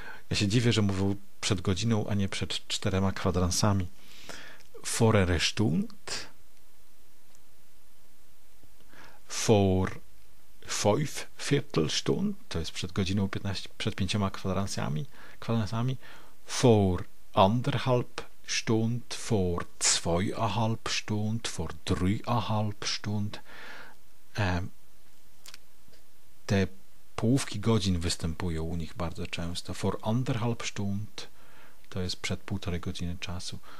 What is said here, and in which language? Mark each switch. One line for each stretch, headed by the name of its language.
Polish: Ja się dziwię, że mówił przed godziną, a nie przed 4 kwadransami.
German: Vor einer Stunde.
Swiss German: Vor fünf Viertelstund.
Polish: To jest przed godziną, przed 5 kwadransami.
Swiss German: Vor anderthalb Stund, vor zweieinhalb Stund, vor dreieinhalb Stund.
Polish: Te połówki godzin występują u nich bardzo często.
Swiss German: Vor anderthalb Stund,
Polish: to jest przed 1,5 godziny czasu.